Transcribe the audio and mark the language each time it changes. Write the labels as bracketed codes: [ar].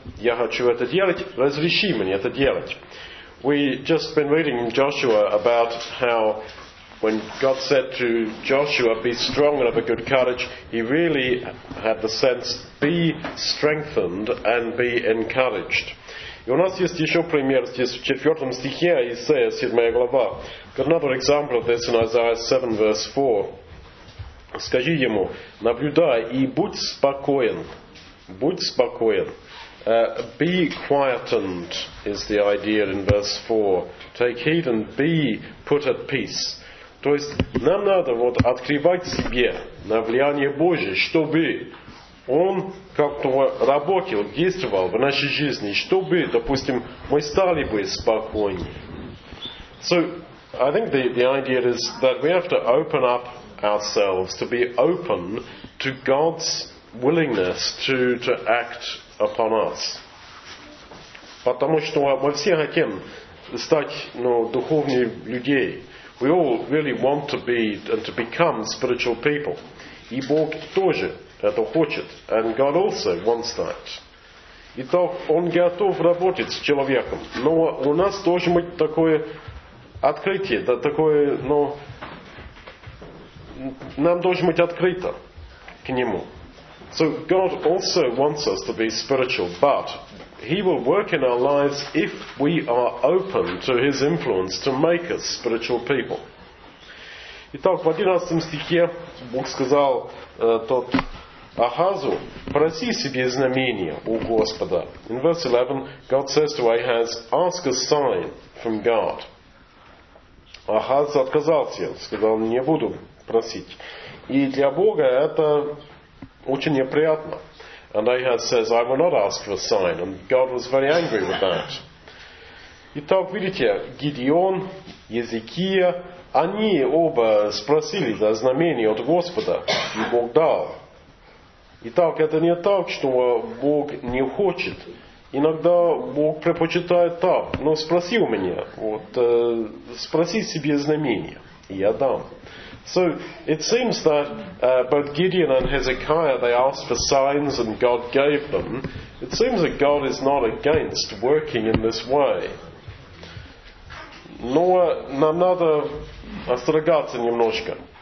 [ru] Я хочу это делать, разреши мне это делать. [en] We just been reading in Joshua about how when God said to Joshua, be strong and have a good courage, he really had the sense, be strengthened and be encouraged. [ru] И у нас есть еще пример здесь в 4 стихе Исаия, 7 глава. [en] Got another example of this in Isaiah 7, verse 4. [ru] Скажи ему, наблюдай и будь спокоен. Будь спокоен. [en] Be quietened is the idea in verse 4. Take heed and be put at peace. [ru] То есть нам надо открывать себе на влияние Божие, чтобы он как-то работал, действовал в нашей жизни, чтобы, допустим, мы стали бы спокойнее. [en] So, I think the idea is that we have to open up ourselves to be open to God's willingness to act upon us. [ru] Потому что мы все хотим стать, духовными людьми. [en] We all really want to be and to become spiritual people. [ru] И Бог тоже это хочет. [en] And God also wants that. [ru] Итак, он готов работать с человеком. Но у нас должен быть такое открытие, такое, нам должно быть открыто к нему. [en] So God also wants us to be spiritual, but He will work in our lives if we are open to His influence to make us spiritual people. [ru] Итак, в 11 стихе Бог сказал тот Ахазу, проси себе знамение у Господа. [en] In verse 11, God says to Ahaz, ask a sign from God. [ru] Ахаз отказался, сказал, не буду просить. И для Бога это очень неприятно. [en] And Ahaz says, I will not ask for a sign. And God was very angry with that. [ru] Итак, видите, Гидеон, Езекия, они оба спросили за знамение от Господа, и Бог дал. Итак, это не так, что Бог не хочет. Иногда Бог предпочитает так, но спроси у меня, спроси себе знамение, и я дам. [en] So it seems that both Gideon and Hezekiah, they asked for signs and God gave them. It seems that God is not against working in this way. [ru] Но нам надо остерегаться немножко.